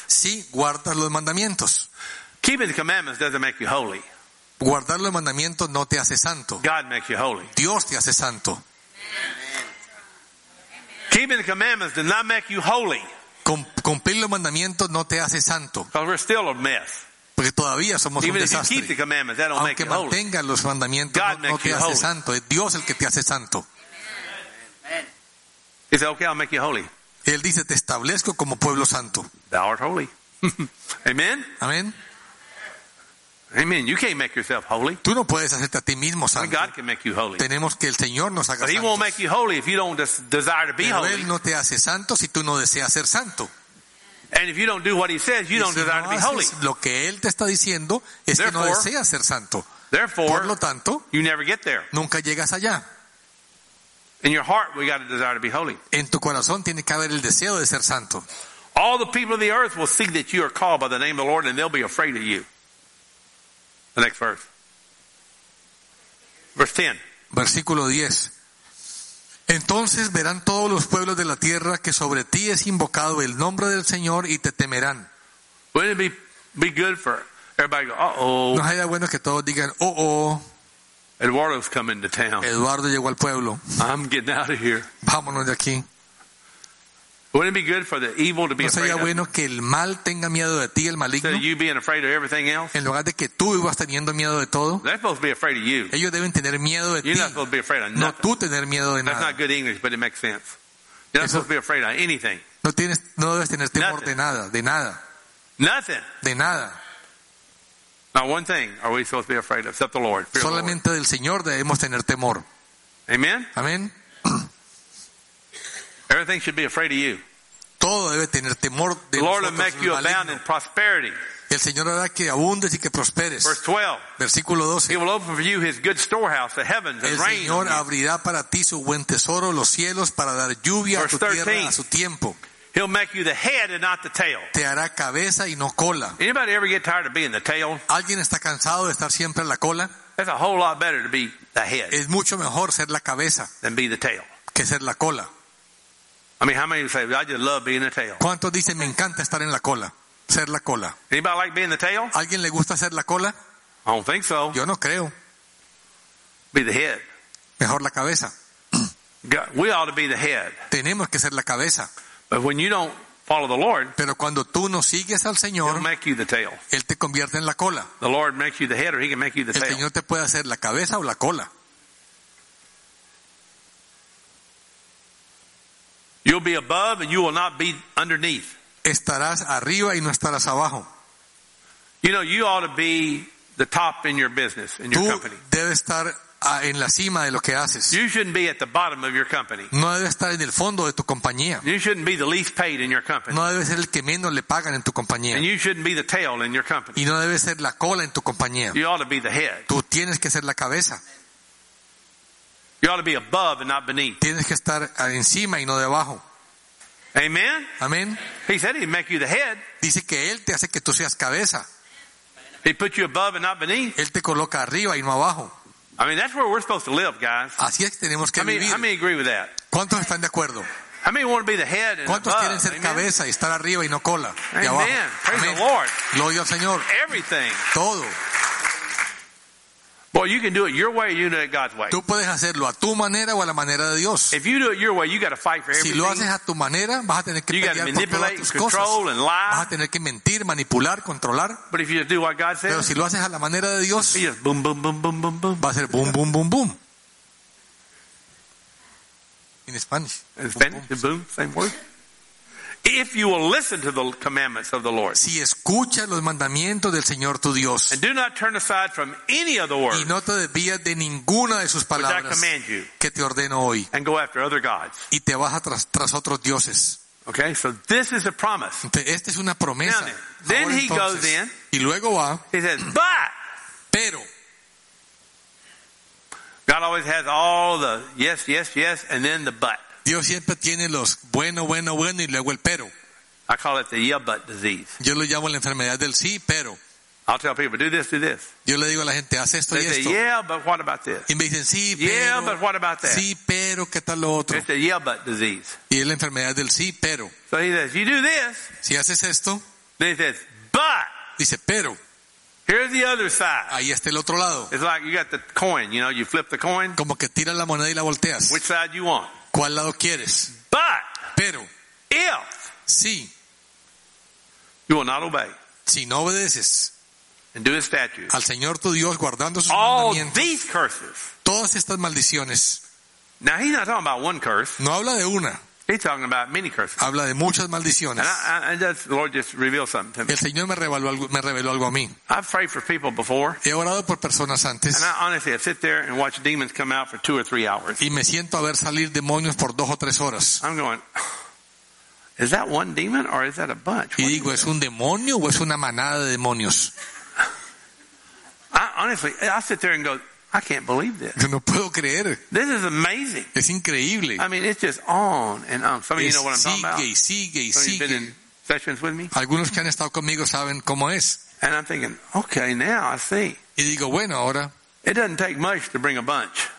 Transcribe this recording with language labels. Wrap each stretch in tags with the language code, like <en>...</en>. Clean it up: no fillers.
<es>Si guardas los mandamientos.</es> <en>Keeping the commandments doesn't make you holy.</en> <es>Guardar los mandamientos no te hace santo.</es> <en>God makes you holy.</en> <es>Dios te hace santo.</es> <en>Amen. Keeping the commandments does not make you holy.</en> <es>Cumplir los mandamientos no te hace santo.</es> <en>Because we're still a mess.</en> <es>Porque todavía somos</es> <en>even</en> <es>un desastre. Aunque mantengas los mandamientos, no te hace santo. Es Dios el que te hace santo.</es> <en>He said, okay, I'll make you holy.</en> <es>Él dice, te establezco como pueblo santo.</es> <en>Thou art holy. Amen. Amen. Amen. You can't make yourself holy.</en> <es>Tú no puedes hacerte a ti mismo santo.</es> <en>God can make you holy.</en> <es>Tenemos que el Señor nos haga santos.</es> <en>He won't make you holy if you don't desire to be holy.</en> <es>Él no te hace santo si tú no deseas ser santo.</es> <en>And if you don't do what he says, you don't desire to be holy.</en> <es>Lo que él te está diciendo es que no deseas ser santo.</es> <en>Therefore,</en> <es>por lo tanto,</es> <en>you never get there.</en> <es>Nunca llegas allá.</es> <en>In your heart, we got a desire to be holy.</en> <es>En tu corazón tiene que haber el deseo de ser santo.</es> <en>All the people of the earth will see that you are called by the name of the Lord, and they'll be afraid of you. The next verse. Verse 10.</en> <es>Versículo 10. Entonces verán todos los pueblos de la tierra que sobre ti es invocado el nombre del Señor y te temerán.</es> <en>Wouldn't it be good for everybody to go,</en> <es>¿No sería bueno que todos digan, oh?</es> <en>Eduardo's coming to town.</en> <es>Eduardo llegó al pueblo.</es> <en>I'm getting out of here.</en> <es>Vámonos de aquí.</es> <en>Wouldn't it be good for the evil to be afraid of?</en> <es>¿No sería bueno que el mal tenga miedo de ti, el maligno?</es> <en>Instead of you being afraid of everything else?</en> <es>En lugar de que tú ibas teniendo miedo de todo.</es> <en>They're supposed to be afraid of you.</en> <es>Ellos deben tener miedo de ti.</es> <en>You're not supposed to be afraid of nothing.</en> <es>No tú tener miedo de nada.</es> <en>That's not good English, but it makes sense. You're not supposed to be afraid of anything.</en> <es>No debes tener temor de nada, de nada.</es> <en>Nothing.</en> <es>De nada.</es> <en>Not one thing are we supposed to be afraid of, except the Lord.</en> <es>Solamente del Señor debemos tener temor.</es> <en>Amen. Amen. Everything should be afraid of you.</en> <es>Todo debe tener temor de</es> <en>the Lord will make you abound in prosperity.</en> <es>El Señor hará que abundes y que prosperes.</es> <en>Verse 12.</en> <es>Versículo 12.</es> <en>He will open for you his good storehouse, the heavens, and rain.</en> <es>El Señor abrirá para ti su buen tesoro, los cielos, para dar lluvia a tu tierra a su tiempo.</es> <en>He'll make you the head and not the tail.</en> <es>Te hará cabeza y no cola.</es> <en>Anybody ever get tired of being the tail?</en> <es>¿Alguien está cansado de estar siempre en la cola?</es> <en>It's a whole lot better to be the head.</en> <es>Es mucho mejor ser la cabeza</es> <en>than be the tail.</en> <es>Que ser la cola.</es> <en>I mean, how many say, I just love being the tail?</en> <es>¿Cuántos dicen, me encanta estar en la cola? Ser la cola.</es> <en>Anybody like being the tail?</en> <es>¿Alguien le gusta ser la cola?</es> <en>I don't think so.</en> <es>Yo no creo.</es> <en>Be the head.</en> <es>Mejor la cabeza.</es> <en>We ought to be the head.</en> <es>Tenemos que ser la cabeza.</es> <en>But when you don't follow the Lord,</en> <es>pero cuando tú no sigues al Señor,</es> <en>he'll make you the tail.</en> <es>Él te convierte en la cola.</es> <en>The Lord makes you the head, or he can make you the tail.</en> <es>El Señor te puede hacer la cabeza o la cola.</es> <en>You'll be above and you will not be underneath.</en> <es>Estarás arriba y no estarás abajo.</es> <en>You know, you ought to be the top in your business, in your company.</en> <es>Tú debes estar en la cima de lo que haces.</es> <en>You shouldn't be at the bottom of your company.</en> <es>No debes estar en el fondo de tu compañía.</es> <en>You shouldn't be the least paid in your company.</en> <es>No debes ser el que menos le pagan en tu compañía.</es> <en>And you shouldn't be the tail in your company.</en> <es>Y no debes ser la cola en tu compañía.</es> <en>You ought to be the head.</en> <es>Tú tienes que ser la cabeza.</es> <en>You ought to be above and not beneath.</en> <es>Tienes que estar encima y no debajo.</es> <en>Amen. Amen. He said he'd make you the head.</en> <es>Dice que él te hace que tú seas cabeza.</es> <en>He put you above and not beneath.</en> <es>Él te coloca arriba y no abajo.</es> <en>I mean, that's where we're supposed to live, guys.</en> <es>Así es que tenemos que vivir.</es> <en>How many agree with that?</en> <es>¿Cuántos están de acuerdo?</es> <en>How many want to be the head and above?</en> <es>¿Cuántos quieren ser cabeza y estar arriba y no cola?</es> <en>Amen.</en> <es>Y abajo.</es> <en>Praise the Lord.</en> <es>Gloria al Señor.</es> <en>Everything.</en> <es>Todo.</es> <en>Well, you can do it your way, you can do it God's way.</en> <es>Tú puedes hacerlo a tu manera o a la manera de Dios.</es> <en>If you do it your way, you got to fight for everything.</en> <es>Si lo haces a tu manera, vas a tener que pelear por todas tus cosas.</es> <en>You got to manipulate, control, and lie.</en> <es>Vas a tener que mentir, manipular, controlar.</es> <en>But if you do what God says,</en> <es>pero si lo haces a la manera de Dios, boom, boom, boom, boom, boom, boom. Va a ser boom, boom, boom, boom.</es> <en>In Spanish. In Spanish, boom, boom, same word. If you will listen to the commandments of the Lord.</en> <es>Si escuchas los mandamientos del Señor tu Dios.</es> <en>And do not turn aside from any of the words.</en> <es>Y no te desvías de ninguna de sus palabras.</es> <en>Which I command you.</en> <es>Que te ordeno hoy.</es> <en>And go after other gods.</en> <es>Y te vas tras otros dioses.</es> <en>Okay, so this is a promise.</en> <es>Esta es una promesa.</es> <en>Then he goes in.</en> <es>Y luego va.</es> <en>He says, but.</en> <es>Pero.</es> <en>God always has all the yes, yes, yes, and then the but.</en> <es>Dios siempre tiene los bueno, bueno, bueno y luego el pero.</es> <en>I call it the yeah, but disease.</en> <es>Yo lo llamo la enfermedad del sí, pero.</es> <en>I'll tell people, do this, do this.</en> <es>Yo le digo a la gente, haz esto</es> <en>they</en> <es>y esto.</es> <en>Say, yeah, but what about this?</en> <es>Y me dicen, sí, pero.</es> <en>Yeah, but what about that?</en> <es>Sí, pero, ¿qué tal lo otro?</es> <en>It's the yeah, but disease.</en> <es>Y es la enfermedad del sí, pero.</es> <en>So he says, you do this.</en> <es>Si haces esto.</es> <en>Then he says, but.</en> <es>Dice, pero.</es> <en>Here's the other side.</en> <es>Ahí está el otro lado.</es> <en>It's like you got the coin, you know, you flip the coin.</en> <es>Como que tiras la moneda y la volteas.</es> <en>Which side you want?</en> <es>¿Cuál lado quieres?</es> <en>But,</en> <es>pero,</es> <en>if,</en> <es>si,</es> <en>you will not obey,</en> <es>si no obedeces,</es> <en>and do his statutes,</en> <es>al Señor tu Dios guardando sus</es> <en>all</en> <es>mandamientos,</es> <en>these curses,</en> <es>todas estas maldiciones.</es> <en>Now he's not talking about one curse.</en> <es>No habla de una.</es> <en>He's talking about many curses.</en> <es>Habla de muchas maldiciones.</es> <en>The Lord just revealed something to me.</en> <es>El Señor me reveló algo a mí.</es> <en>I've prayed for people before.</en> <es>He orado por personas antes.</es> <en>And I honestly, I sit there and watch demons come out for 2 or 3 hours.</en> <es>Y me siento a ver salir demonios por 2 o 3 horas.</es> <en>I'm going, is that one demon or is that a bunch?</en> <es>Y digo, ¿es un demonio o es una manada de demonios?</es> <en>I sit there and go, I can't believe this.</en> <es>Yo no puedo creer.</es> <en>This is amazing.</en> <es>Es increíble.</es> <en>I mean, it's just on and on. Some of you know what I'm talking about.</en> <es>Sigue y sigue y sigue.</es> <en>Have you been in sessions with me?</en> <es>Algunos que han estado conmigo saben cómo es.</es> <en>And I'm thinking, okay, now I see.</en> <es>Y digo, bueno, ahora.</es> <en>It doesn't take much to bring a bunch.</en>